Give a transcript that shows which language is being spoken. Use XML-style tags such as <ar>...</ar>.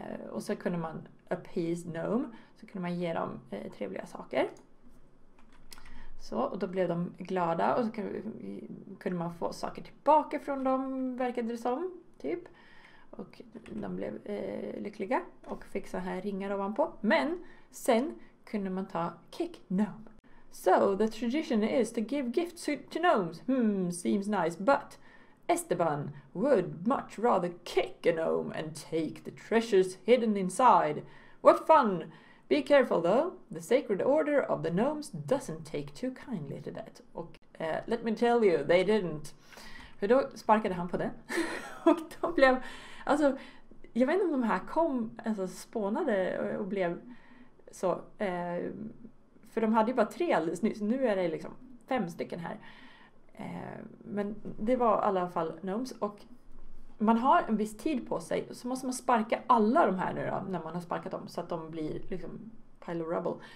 <sv>Och så kunde man appease gnome, så kunde man ge dem trevliga saker. Så, och då blev de glada och så kunde man få saker tillbaka från dem, verkade det som, typ. Och de blev lyckliga och fick så här ringar ovanpå. Men sen kunde man ta kick gnome.</sv> <en>So the tradition is to give gifts to gnomes. Hmm, seems nice, but Esteban would much rather kick a gnome and take the treasures hidden inside. What fun! Be careful though, the sacred order of the gnomes doesn't take too kindly to that.</en> <sv>Och</sv> <en>let me tell you, they didn't.</en> <sv>För då sparkade han på den. Och då blev, alltså, jag vet inte om de här kom, alltså spånade och blev så. För de hade ju bara tre alldeles nyss, nu är det liksom fem stycken här. Men det var i alla fall gnomes. Och man har en viss tid på sig, så måste man sparka alla de här nu då, när man har sparkat dem, så att de blir liksom</sv> <en>pile of rubble.</en>